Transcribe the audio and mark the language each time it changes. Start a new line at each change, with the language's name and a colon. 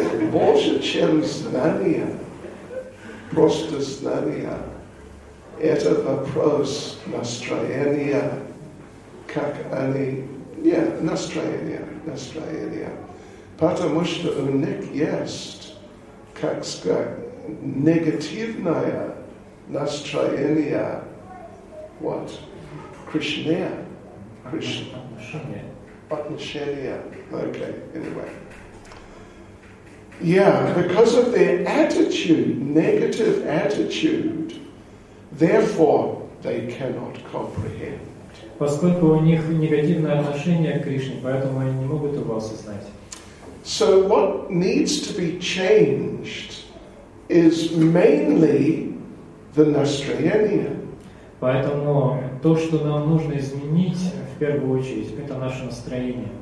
Russian: Больше, чем знания, просто знания, это вопрос настроения, как они... Нет, настроения. Потому что у них есть, как сказать, негативное настроение,
English: what? Yeah, because of their attitude, negative attitude, therefore, they cannot comprehend.
Russian: Поскольку у них негативное отношение к Кришне, поэтому они не могут его осознать.
English: So what needs to be changed is mainly the
Russian: настроение. Поэтому то, что нам нужно изменить в первую очередь, это наше настроение.